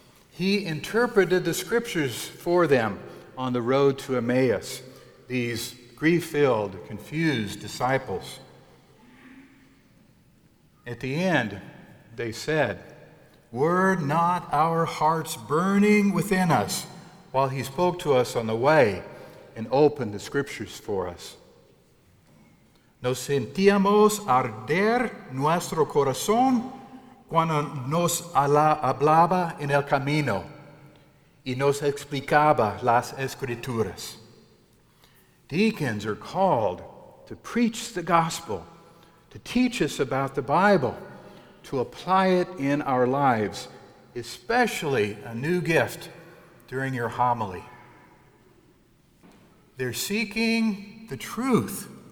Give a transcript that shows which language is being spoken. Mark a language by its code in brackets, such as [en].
[en] He interpreted the scriptures for them on the road to Emmaus, these grief-filled, confused disciples. At the end, they said, "Were not our hearts burning within us while he spoke to us on the way and opened the scriptures for us? [es] Nos sentíamos arder nuestro corazón cuando nos hablaba en el camino y nos explicaba las escrituras." [en] Deacons are called to preach the gospel, to teach us about the Bible, to apply it in our lives, especially a new gift during your homily. They're seeking the truth.